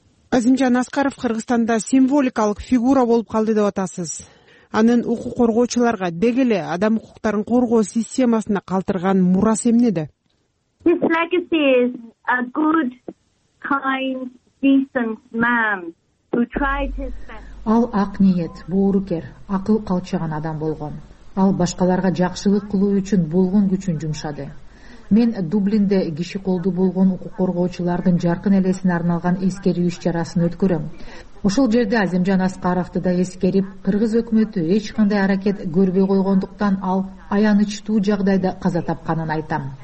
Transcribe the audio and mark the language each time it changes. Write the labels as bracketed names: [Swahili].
[Kyrgyz] Азимжан Аскаров Кыргызстанда символикалык фигура болуп калды деп атасыз. Анын укук коргоочуларга деги эле адам укуктарын коргоо системасына калтырган мурасы эмнеде? [English] His legacy is a good, kind, decent man who tried his best. [Kyrgyz] Ал ак ниет, боорукер, акыл калчыган адам болгон. Ал башкаларга жакшылык кылуу үчүн болгон күчүн жумшады. Мен Дублинде киши колду болгон укук коргоочулардын жаркын элесине арналган эскерүү иш-чарасын өткөрөм. Ошол жерде Азимжан Аскаровду да эскерип, кыргыз өкмөтү эч кандай аракет көрбөй койгондуктан ал аянычтуу жагдайда каза тапканын айтам.